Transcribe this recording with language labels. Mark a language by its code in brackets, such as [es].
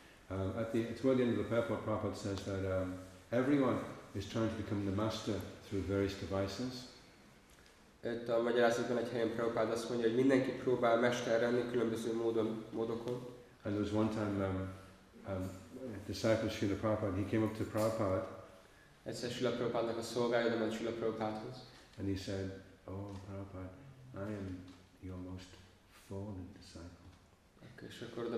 [en] toward the end of the purport, Prabhupada says that everyone is trying to become the master through various devices. [hu] Itt a magyarázatban egy helyen Prabhupada azt mondja, hogy mindenki próbál mester lenni különböző módokon. [en] And there was one time disciple Srila Prabhupada, and he came up to Prabhupada. And he said, "Oh Prabhupada, I am your most fallen disciple."